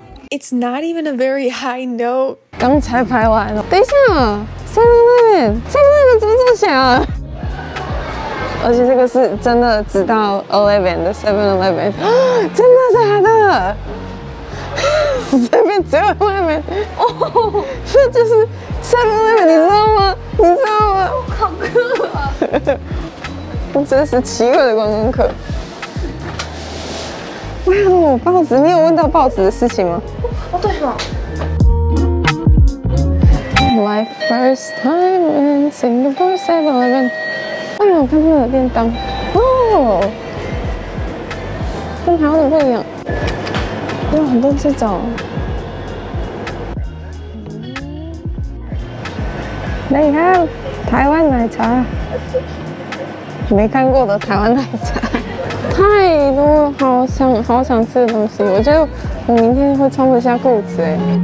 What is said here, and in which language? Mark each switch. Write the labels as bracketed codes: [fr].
[en] ！It's not even a very high note。 [zh] 刚才拍完了，等一下 ，7-Eleven 怎么这么响啊？而且这个是真的，直到 11的 7-Eleven， 真的假的？这边只有 11， 哦，这就是 7-Eleven， 你知道吗？你知道吗？好酷啊！我真是奇怪的观光客。哇哦，报纸，你有问到报纸的事情吗？哦，对嘛。 [en] My first time in Singapore 7-Eleven。 [zh] 哎呀，我看到了便当哦，跟台湾的不一样，有很多这种。 [en] There you have 台湾奶茶。 [zh] 没看过的台湾奶茶，太多好想好想吃的东西，我觉得我明天会撑不下肚子哎。